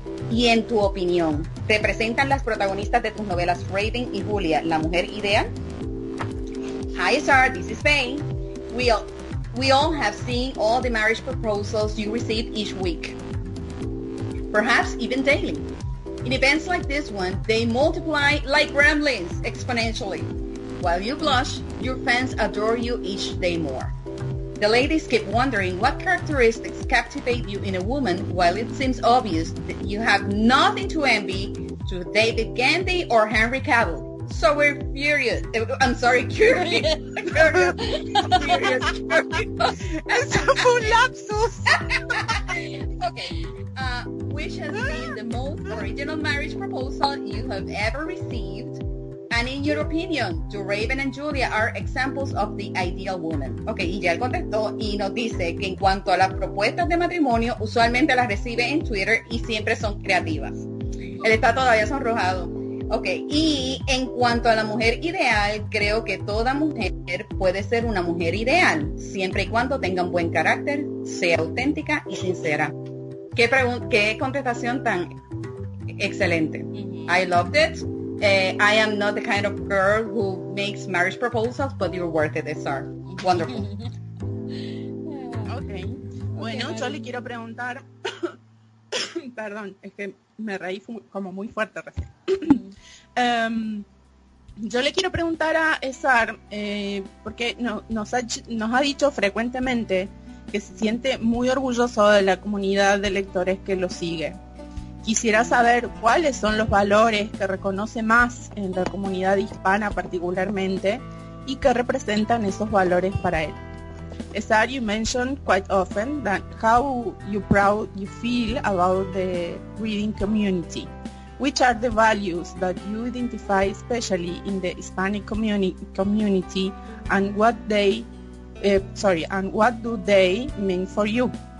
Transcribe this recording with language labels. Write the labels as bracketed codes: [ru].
[es] Y en tu opinión, ¿representan las protagonistas de tus novelas Raven y Julia la mujer ideal? [en] Hi, Sarah, this is Faye. We all have seen all the marriage proposals you receive each week, perhaps even daily. In events like this one, they multiply like gremlins exponentially. While you blush, your fans adore you each day more. The ladies keep wondering what characteristics captivate you in a woman, while it seems obvious that you have nothing to envy to David Gandy or Henry Cavill. So we're furious. I'm sorry, curious. [es] Eso fue un lapsus. [en] Okay. Which has been the most original marriage proposal you have ever received? And in your opinion, do Raven and Julia are examples of the ideal woman? [es] Okay, y ya él contestó y nos dice que en cuanto a las propuestas de matrimonio, usualmente las recibe en Twitter y siempre son creativas. Él está todavía sonrojado. Okay, y en cuanto a la mujer ideal, creo que toda mujer puede ser una mujer ideal, siempre y cuando tenga un buen carácter, sea auténtica y sincera. Qué contestación tan excelente. [en] I loved it. I am not the kind of girl who makes marriage proposals, but you're worth it, Sar. Wonderful. [es] Okay. Bueno, yo le quiero preguntar. Perdón, es que me reí como muy fuerte recién. Yo le quiero preguntar a Sar, porque nos ha dicho frecuentemente que se siente muy orgulloso de la comunidad de lectores que lo sigue. Quisiera saber cuáles son los valores que reconoce más en la comunidad hispana particularmente y qué representan esos valores para él. [en] Sar, you mentioned quite often that how you proud you feel about the reading community. Which are the values that you identify especially in the Hispanic community and what they and what do they mean for you?